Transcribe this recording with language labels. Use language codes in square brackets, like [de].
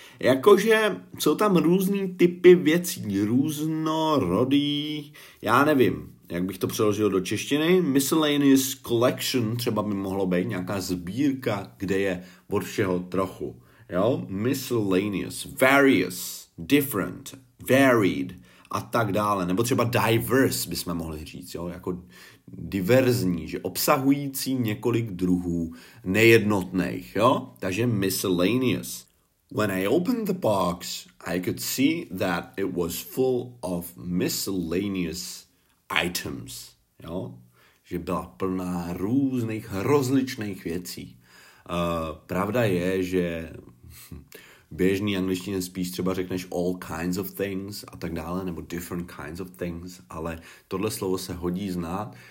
[cs] Jakože jsou tam různý typy věcí, různorodý, já nevím, jak bych to přeložil do češtiny, [en] miscellaneous collection [cs] třeba by mohlo být nějaká sbírka, kde je od všeho trochu. Jo? [en] Miscellaneous, various, different, varied, [cs] a tak dále. Nebo třeba diverse bychom mohli říct, jo? Jako diverzní, že obsahující několik druhů nejednotných. Jo? Takže miscellaneous. [en] When I opened the box, I could see that it was full of miscellaneous items. [cs] Jo? Že byla plná různých rozličných věcí. Pravda je, že běžný angličtině spíš třeba řekneš [en] all kinds of things [cs] a tak dále, nebo [en] different kinds of things, [cs] ale tohle slovo se hodí znát.